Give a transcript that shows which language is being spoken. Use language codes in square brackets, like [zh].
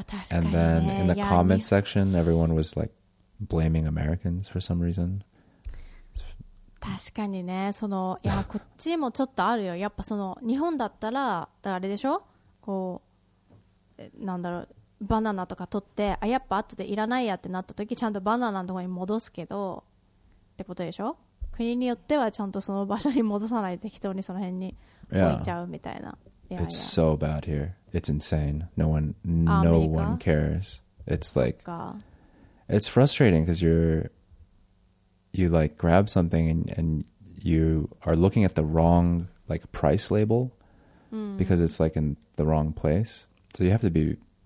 [en] And then in the comments section, everyone was like blaming Americans for some reason. [ja] 確かにね、そのいやこっちもちょっとあるよ。やっぱその日本だったらあれでしょ、こうなんだろう、バナナとか取ってあやっぱ後でいらないやってなった時ちゃんとバナナのところに戻すけどってことでしょ。国によってはちゃんとその場所に戻さないで適当にその辺に置いちゃうみたいな。 [en] yeah. It's so bad here. It's insane. No one cares. It's like it's frustrating because you like grab something and you are looking at the wrong like price label because it's like in the wrong place. So you have to be